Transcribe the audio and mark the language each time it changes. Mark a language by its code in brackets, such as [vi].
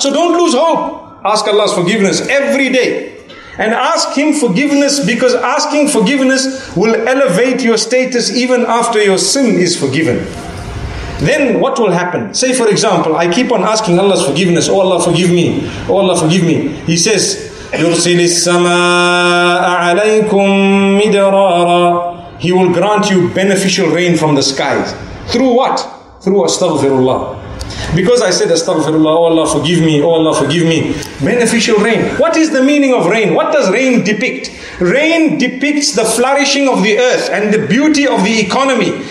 [en] So don't lose hope. Ask Allah's forgiveness every day. And ask Him forgiveness, because asking forgiveness will elevate your status even after your sin is forgiven. Then what will happen? Say for example, I keep on asking Allah's forgiveness. Oh Allah, forgive me. Oh Allah, forgive me. He says, [ar] يُرْسِلِ السَّمَاءَ عَلَيْكُمْ مِدَرَارًا. [en] He will grant you beneficial rain from the skies. Through what? Through astaghfirullah. Because I said astaghfirullah, oh Allah forgive me, oh Allah forgive me. Beneficial rain. What is the meaning of rain? What does rain depict? Rain depicts the flourishing of the earth and the beauty of the economy.